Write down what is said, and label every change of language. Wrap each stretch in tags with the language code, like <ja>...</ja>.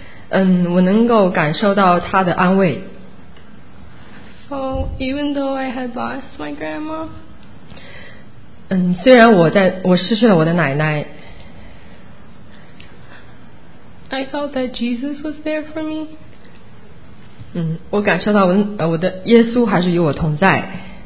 <zh>我能够感受到他的安慰。</zh> <en>So even though I had lost my grandma.</en> <zh>虽然我失去了我的奶奶。</zh> <en>I felt that Jesus was there for me.</en> <zh>我感受到我的耶稣还是与我同在。</zh>